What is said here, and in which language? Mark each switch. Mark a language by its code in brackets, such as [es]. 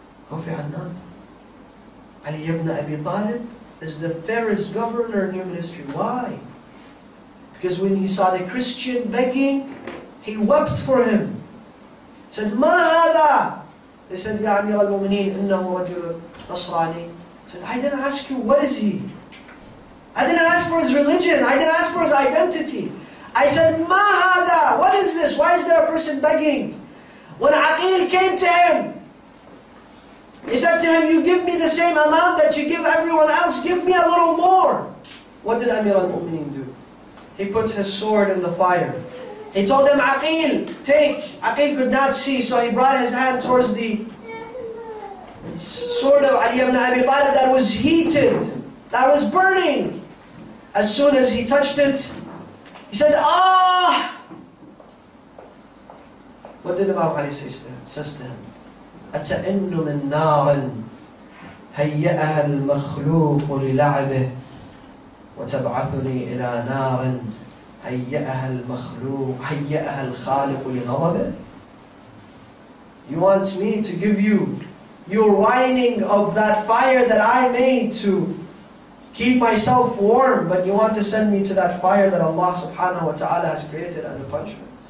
[en] Kofi Annan, Ali ibn Abi Talib, is the fairest governor in human history. Why? Because when he saw the Christian begging, he wept for him. He said, [ar] ما هذا? [en] He said, [ar] يا أمير المؤمنين, إنه رجل نصراني. [en] He said, I didn't ask you, what is he? I didn't ask for his religion. I didn't ask for his identity. I said, [ar] ما هذا? [en] What is this? Why is there a person begging? When Aqil came to him, he said to him, you give me the same amount that you give everyone else. Give me a little more. What did Amir al-Mu'mineen do? He put his sword in the fire. He told him, Aqil, take. Aqil could not see, so he brought his hand towards the sword of Ali ibn Abi Talib that was heated, that was burning. As soon as he touched it, he said, ah! What did Imam Ali says to him? [ar] أتئن من نار هيئها المخلوق للعبه وتبعثني إلى نار هيئها المخلوق هيئها الخالق لغضبه. [en] You want me to give you your whining of that fire that I made to keep myself warm, but you want to send me to that fire that Allah subhanahu wa ta'ala has created as a punishment.